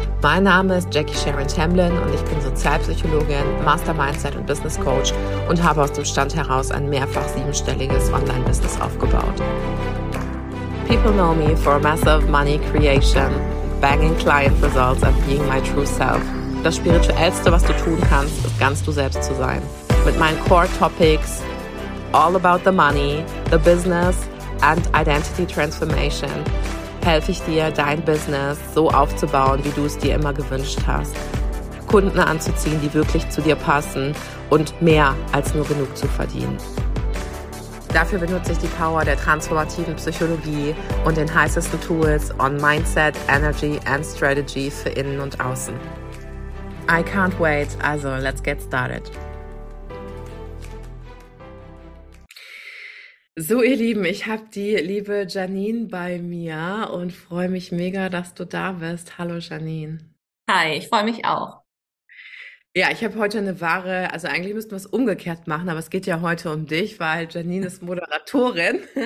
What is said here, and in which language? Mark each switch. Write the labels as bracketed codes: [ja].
[de] Mein Name ist Jackie Sharon Tamblyn und ich bin Sozialpsychologin, Master Mindset und Business Coach und habe aus dem Stand heraus ein mehrfach siebenstelliges Online-Business aufgebaut. [en] People know me for massive money creation, banging client results and being my true self. [de] Das Spirituellste, was du tun kannst, ist ganz du selbst zu sein. Mit meinen Core Topics, [en] all about the money, the business and identity transformation, [de] helfe ich dir, dein Business so aufzubauen, wie du es dir immer gewünscht hast. Kunden anzuziehen, die wirklich zu dir passen und mehr als nur genug zu verdienen. Dafür benutze ich die Power der transformativen Psychologie und den heißesten Tools [en] on Mindset, Energy and Strategy [de] für innen und außen. [en] I can't wait, also let's get started. [de] So ihr Lieben, ich habe die liebe Janine bei mir und freue mich mega, dass du da bist. Hallo Janine. Hi, ich freue mich auch. Ja, ich habe heute eine wahre, also eigentlich müssten wir es umgekehrt machen, aber es geht ja heute um dich, weil Janine ist Moderatorin.